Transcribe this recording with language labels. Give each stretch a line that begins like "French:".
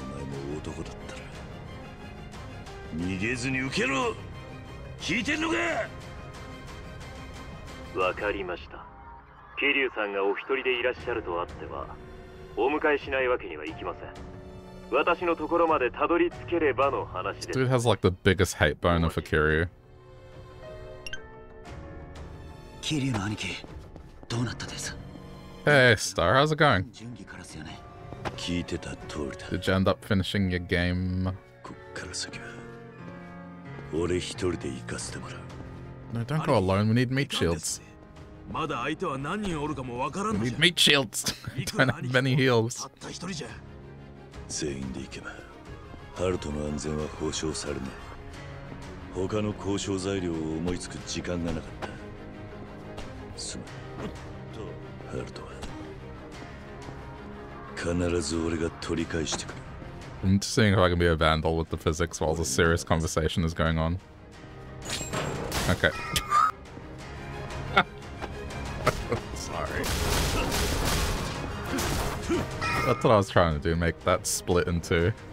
Japanese: お前も男だったら逃げずに受けろ。聞いてんのか。わかりました。キリュウさんがお一人でいらっしゃるとあってはお迎えしないわけにはいきません。私のところまでたどり着ければの話です。
English: This dude has like the biggest hate boner for キリュウ。
Japanese: キリュウの兄貴どうなったです。
English: Hey Star, how's it going?
Japanese: 準備からすよね。聞いてた通りだ。
English: Did you end up finishing your game?
Japanese: こっから先は俺一人で行かせてもらう。
English: No, don't go alone. We need meat shields.
Japanese: まだ相手は何人おるかもわからんのじゃ。
English: We need meat shields. Don't have many heals.
Japanese: たった一人じゃ。全員で行けば、ハルトの安全は保証されない。他の交渉材料を思いつく時間がなかった。すまん。ハルトは、必ず俺が取り返してくる。
English: I'm just seeing if I can be a vandal with the physics while the serious conversation is going on. Okay. Sorry. That's what I was trying to do, make that split in two.